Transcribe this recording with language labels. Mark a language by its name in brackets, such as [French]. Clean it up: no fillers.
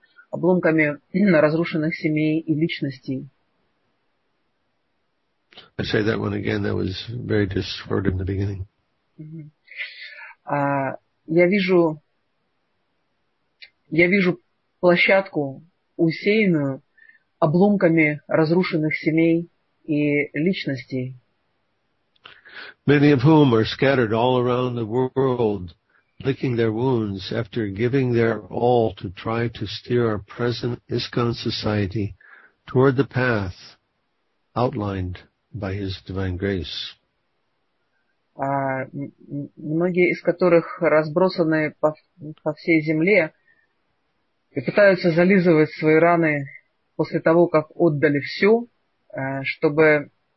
[Russian] Обломками разрушенных семей и личностей. [English] I say that one again, that was very distorted in the beginning. [Russian] Я вижу площадку, усеянную обломками разрушенных семей и личностей. [English] Many of whom are scattered all around the world, licking their wounds after giving their all to try to steer our present ISKCON society toward the path outlined by His Divine Grace. [Russian] Многие из которых разбросаны по всей земле и пытаются зализывать свои раны после того, как отдали все, чтобы...